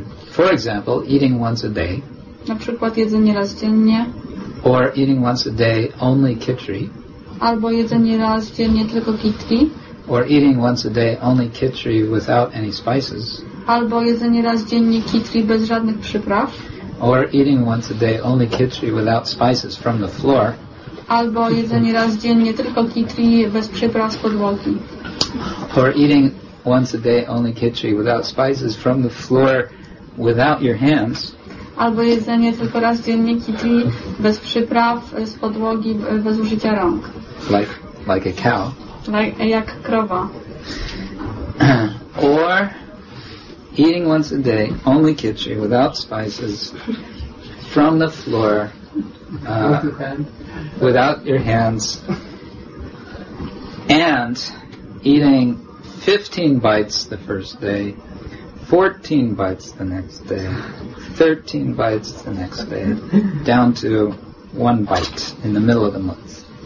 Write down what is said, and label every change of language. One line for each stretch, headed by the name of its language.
English: For example, eating once a day.
Polish: Na przykład jedzenie raz dziennie.
English: Or eating once a day only khichdi.
Polish: Albo jedzenie raz dziennie tylko khichdi.
English: Or eating once a day only khichdi without any spices.
Polish: Albo jedzenie raz dziennie khichdi bez żadnych przypraw.
English: Or eating once a day only khichdi without spices from the floor.
Polish: Albo jedzenie raz dziennie tylko khichdi bez przypraw z podłogi.
English: Or eating once a day only khichdi without spices from the floor without your hands.
Polish: Albo jedzenie tylko raz dziennie khichdi bez przypraw z podłogi bez użycia rąk.
English: Like a cow.
Polish: Jak krowa.
English: Or eating once a day only khichdi without spices from the floor without your hands and eating 15 bites the first day, 14 bites the next day, 13 bites the next day, down to one bite in the middle of the month.